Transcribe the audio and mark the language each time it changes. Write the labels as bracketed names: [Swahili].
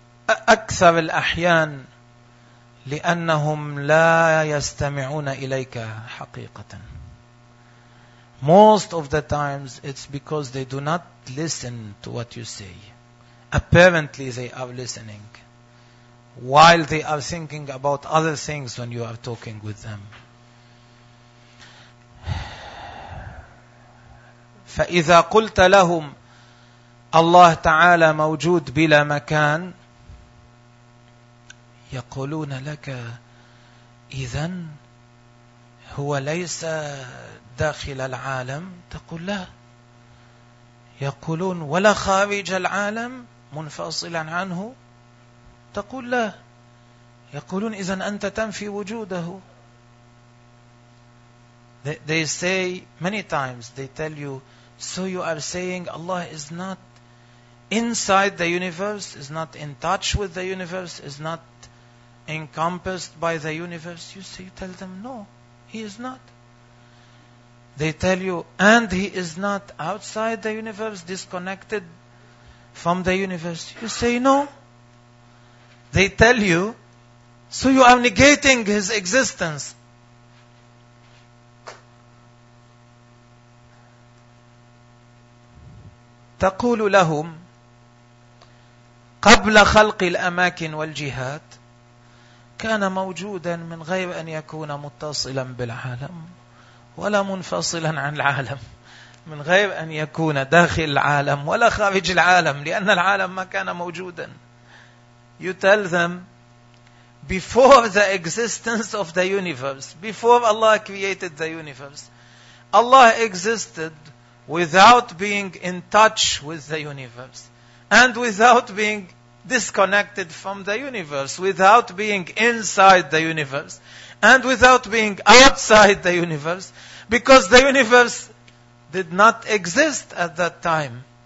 [Arabic] أكثر الأحيان لأنهم لا يستمعون إليك حقيقة. [English] Most of the times it's because they do not listen to what you say. Apparently they are listening while they are thinking about other things when you are talking with them. [Arabic] فَإِذَا قُلْتَ لَهُمْ اللَّهُ تَعَالَى مَوْجُود بِلَا مَكَان يَقُولُونَ لَكَ إِذَن هُوَ لَيْسَ داخل العالم. تقول لا. يقولون ولا خارج العالم منفصلا عنه. تقول لا. يقولون إذن أنت تنفي وجوده. [English] They say many times, they tell you, so you are saying Allah is not inside the universe, is not in touch with the universe, is not encompassed by the universe. You tell them no, he is not. They tell you, and he is not outside the universe, disconnected from the universe. You say, no. They tell you, so you are negating his existence. [Arabic] تقول لهم قبل خلق الأماكن والجهات كان موجودا من غير أن يكون متصلا بالعالم ولا منفصلا عن العالم من غير أن يكون داخل العالم ولا خارج العالم لأن العالم ما كان موجودا. [English] You tell them, before the existence of the universe, before Allah created the universe, Allah existed without being in touch with the universe and without being disconnected from the universe, without being inside the universe and without being outside the universe, because the universe did not exist at that time.